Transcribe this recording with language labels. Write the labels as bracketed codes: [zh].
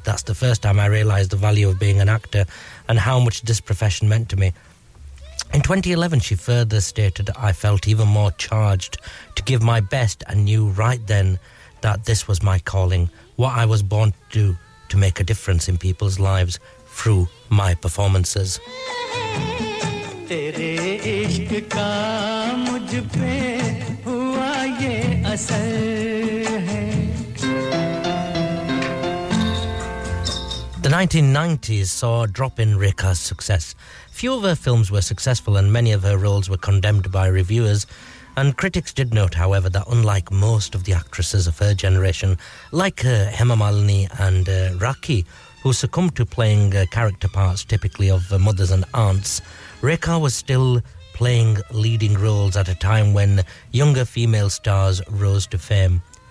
[en] That's the first time I realised the value of being an actor and how much this profession meant to me. In 2011, she further stated, "I felt even more charged to give my best and knew right then that this was my calling, what I was born to do, to make a difference in people's lives through my performances. [hi] तेरे इश्क का मुझ पे हुआ ये असर है [en] The 1990s saw a drop in Rekha's success. Few of her films were successful and many of her roles were condemned by reviewers. And critics did note, however, that unlike most of the actresses of her generation, like Hema Malini and Rakhi, who succumbed to playing character parts typically of mothers and aunts, Rekha was still playing leading roles at a time when younger female stars rose to fame.